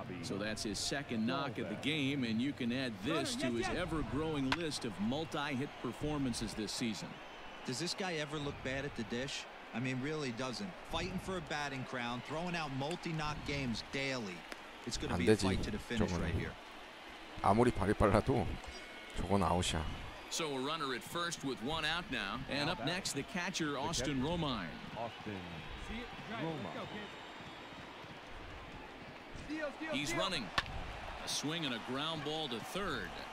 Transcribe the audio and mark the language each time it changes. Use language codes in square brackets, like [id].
[en] So that's his second knock of the game, and you can add this to his ever-growing list of multi-hit performances this season. Does this guy ever look bad at the dish? I mean, really doesn't. Fighting for a batting crown, throwing out multi-knock games daily. It's going to be a fight to the finish right here. [ko] 아무리 발이 빨라도 저건 아웃이야. [en] So a runner at first with one out now. And up next, the catcher, Austin Romine. Roma. He's running. A swing and a ground ball to third.